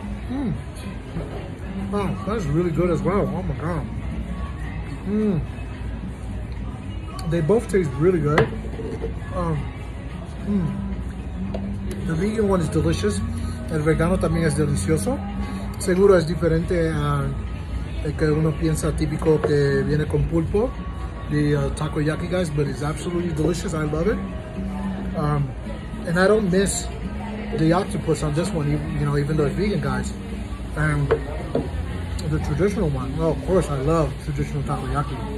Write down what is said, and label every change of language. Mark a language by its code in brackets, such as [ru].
[en] Mmm. Oh, that's really good as well. Oh my god. Mmm. They both taste really good. The vegan one is delicious. [es] El vegano también es delicioso. Seguro es diferente al que uno piensa típico que viene con pulpo. [en] The takoyaki, guys, but it's absolutely delicious. I love it. And I don't miss the octopus on this one, you know, even though it's vegan, guys. And the traditional one, well, of course, I love traditional takoyaki.